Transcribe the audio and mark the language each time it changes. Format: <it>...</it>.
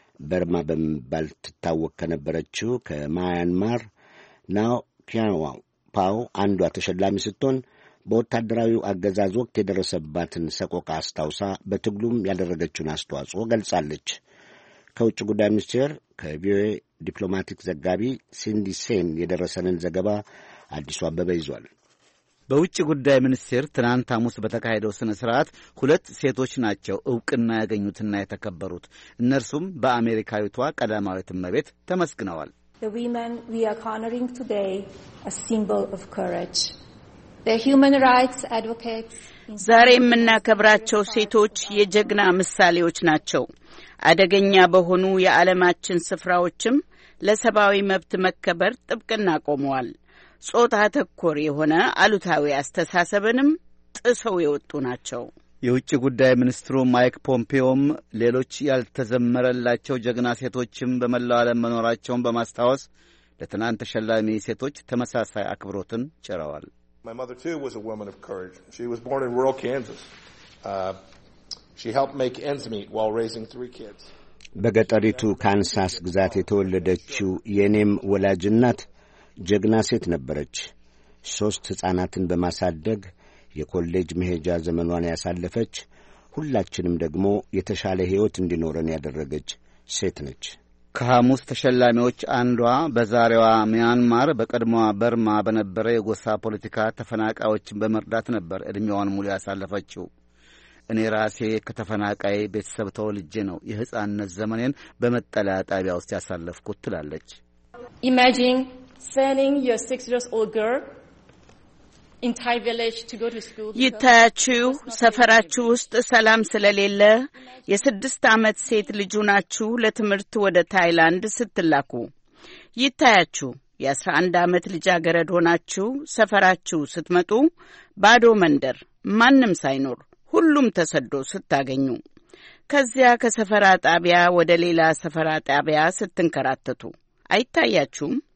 <am>በርማ በመባል ትታወቅ ከነበረችው ከማያንማር ናው ኪያዋ ፓው አንዷ ተሸላሚ ስትሆን በወታደራዊው አገዛዝ ወቅት የደረሰባትን ሰቆቃ አስታውሳ በትግሉም ያደረገችውን አስተዋጽኦ ገልጻለች። ከውጭ ጉዳይ ሚኒስቴር ከቪኦኤ ዲፕሎማቲክ ዘጋቢ ሲንዲ ሴን የደረሰንን ዘገባ አዲሱ አበበ ይዟል። በውጭ ጉዳይ ሚኒስቴር ትናንት አሙስ በተካሄደው ስነ ስርዓት 2 ሴቶች ናቸው እውቅና ያገኙትና የተከበሩት። እነርሱም በአሜሪካዊቷ ቀዳማዊት እመቤት ተመስግነዋል።</am> <en>The women we are honoring today a symbol of courage. The human rights advocates.</en> <am>ዛሬ የምናከብራቸው ሴቶች የጀግና ምሳሌዎች ናቸው። አደገኛ በሆኑ የዓለማችን ስፍራዎችም ለሰብአዊ መብት መከበር ጥብቅና ቆመዋል። ጾታ ተኮር የሆነ አሉታዊ አስተሳሰብንም ጥሰው የወጡ ናቸው። የውጭ ጉዳይ ሚኒስትሩ ማይክ ፖምፒዮም ሌሎች ያልተዘመረላቸው ጀግና ሴቶችም በመላው ዓለም መኖራቸውን በማስታወስ ለትናንት ተሸላሚ ሴቶች ተመሳሳይ አክብሮትን ቸረዋል።</am> <en>My mother too was a woman of courage. She was born in rural Kansas. She helped make ends meet while raising 3 kids.</en> <am>በገጠሪቱ ካንሳስ ግዛት የተወለደችው የኔም ወላጅ እናት ጀግና ሴት ነበረች። 3 ሕፃናትን በማሳደግ የኮሌጅ መሄጃ ዘመኗን ያሳለፈች፣ ሁላችንም ደግሞ የተሻለ ሕይወት እንዲኖረን ያደረገች ሴት ነች። ከሐሙስ ተሸላሚዎች አንዷ በዛሬዋ ሚያንማር በቀድሞዋ በርማ በነበረ የጎሳ ፖለቲካ ተፈናቃዮችን በመርዳት ነበር እድሜዋን ሙሉ ያሳለፈችው። እኔ ራሴ ከተፈናቃይ ቤተሰብ ተወልጄ ነው የሕፃንነት ዘመኔን በመጠለያ ጣቢያ ውስጥ ያሳለፍኩት ትላለች።</am> <en>Imagine sending your 6-year-old girl in Thai village to go to school.</en> <am>ይታያችሁ ሰፈራችሁ ውስጥ ሰላም ስለሌለ የ6 ዓመት ሴት ልጅናችሁ ለትምህርት ወደ ታይላንድ ስትላኩ። ይታያችሁ የ11 ዓመት ልጅ አገረድ ሆናችሁ ሰፈራችሁ ስትመጡ ባዶ መንደር ማንም ሳይኖር ሁሉም ተሰዶ ስታገኙ። ከዚያ ከሰፈራ ጣቢያ ወደ ሌላ ሰፈራ ጣቢያ ስትንከራተቱ። አይታያችሁም?</am>